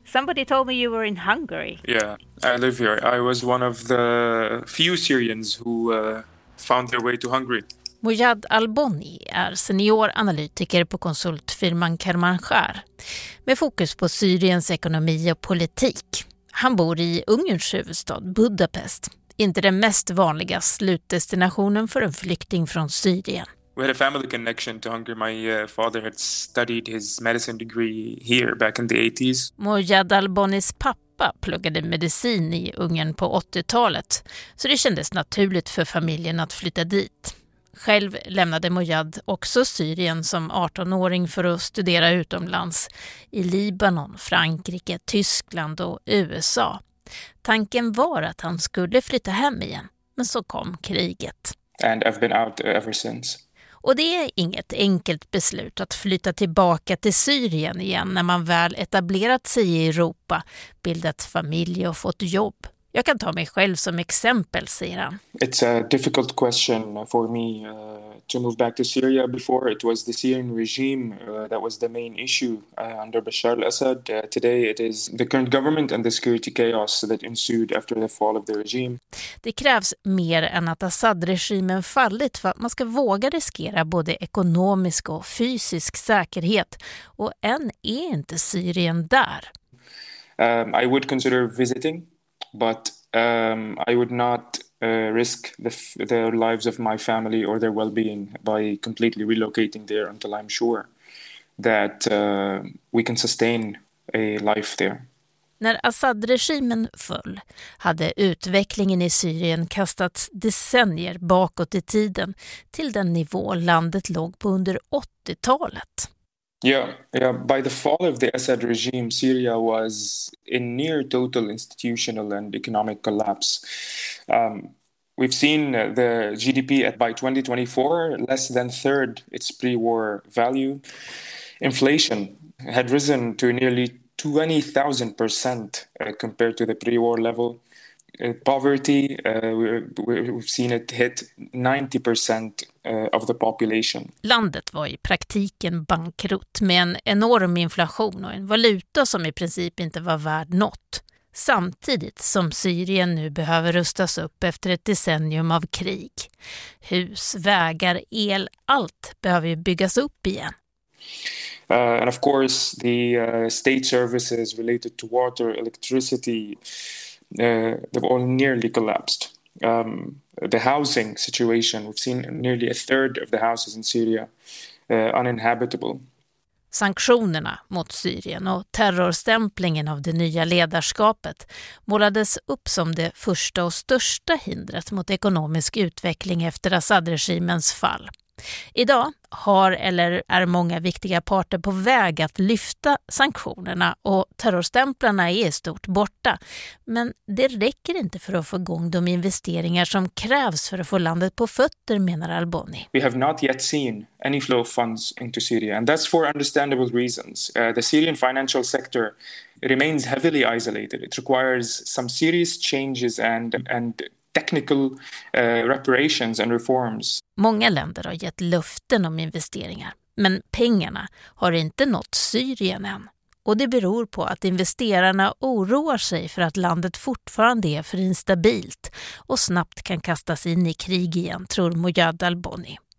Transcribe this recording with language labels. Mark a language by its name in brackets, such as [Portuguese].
[English] Somebody told me you were in Hungary. Yeah, I live here. I was one of the few Syrians who found their way to Hungary. [Swedish] Mojad Alboni är senioranalytiker på konsultfirman Kermanskär med fokus på Syriens ekonomi och politik. Han bor i Ungerns huvudstad Budapest, inte den mest vanliga slutdestinationen för en flykting från Syrien. [English] We had a family connection to Hungary. My father had studied his medicine degree here back in the 80s. [Swedish] Mojad Albonis pappa pluggade medicin i Ungern på 80-talet, så det kändes naturligt för familjen att flytta dit. Själv lämnade Mojad också Syrien som 18-åring för att studera utomlands i Libanon, Frankrike, Tyskland och USA. Tanken var att han skulle flytta hem igen, men så kom kriget. [English] And I've been out ever since. [Swedish] Och det är inget enkelt beslut att flytta tillbaka till Syrien igen när man väl etablerat sig i Europa, bildat familj och fått jobb. Jag kan ta mig själv som exempel, säger han. [English] It's a difficult question for me to move back to Syria. Before it was the Syrian regime that was the main issue under Bashar al-Assad. Today it is the current government and the security chaos that ensued after the fall of the regime. [Swedish] Det krävs mer än att Assad-regimen fallit för att man ska våga riskera både ekonomisk och fysisk säkerhet. Och än är inte Syrien där. [English] I would consider visiting. But I would not risk the lives of my family or their well-being by completely relocating there until I'm sure that we can sustain a life there. [Swedish] När Assad-regimen föll hade utvecklingen i Syrien kastats decennier bakåt i tiden till den nivå landet låg på under 80-talet. [English] Yeah, by the fall of the Assad regime, Syria was in near total institutional and economic collapse. We've seen the GDP at by 2024 less than third its pre-war value. Inflation had risen to nearly 20,000% compared to the pre-war level. Poverty, we've seen it hit 90% of the population. [Swedish] Landet var i praktiken bankrutt med en enorm inflation och en valuta som i princip inte var värd något. Samtidigt som Syrien nu behöver rustas upp efter ett decennium av krig. Hus, vägar, el, allt behöver ju byggas upp igen. [English] And of course the state services related to water, electricity, they've all nearly collapsed. The housing situation, we've seen nearly a third of the houses in Syria uninhabitable. [Swedish] Sanktionerna mot Syrien och terrorstämplingen av det nya ledarskapet målades upp som det första och största hindret mot ekonomisk utveckling efter Assad-regimens fall. Idag har eller är många viktiga parter på väg att lyfta sanktionerna och terrorstämplarna är stort borta. Men det räcker inte för att få igång de investeringar som krävs för att få landet på fötter, menar Alboni. [English] We have not yet seen any flow of funds into Syria, and that's for understandable reasons. The Syrian financial sector remains heavily isolated. It requires some serious changes and technical reparations and reforms. [Swedish] Många länder har gett löften om investeringar, men pengarna har inte nått Syrien än. Och det beror på att investerarna oroar sig för att landet fortfarande är för instabilt och snabbt kan kastas in i krig igen, tror Mojad Alboni.